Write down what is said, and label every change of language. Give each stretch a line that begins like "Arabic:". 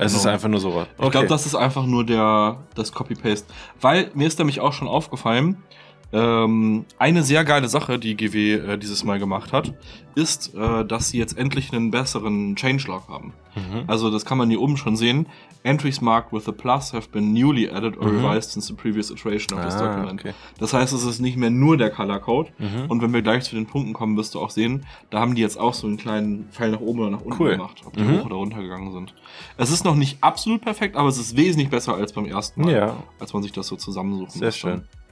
German: Änderung. Es ist einfach nur so rot. Okay. Ich glaube, das ist einfach nur das Copy-Paste. Weil mir ist nämlich auch schon aufgefallen, eine sehr geile Sache, die GW dieses Mal gemacht hat, ist, dass sie jetzt endlich einen besseren Changelog haben. Mhm. Also das kann man hier oben schon sehen.
English: Entries marked with a plus have been newly added or revised since the previous iteration of this document.
German: Okay. Das heißt, es ist nicht mehr nur der Color Code. Mhm. Und wenn wir gleich zu den Punkten kommen, wirst du auch sehen, da haben die jetzt auch so einen kleinen Pfeil nach oben oder nach unten gemacht, ob die hoch oder runter gegangen sind. Es ist noch nicht absolut perfekt, aber es ist wesentlich besser als beim ersten Mal, als man sich das so zusammensuchen muss. Sehr schön.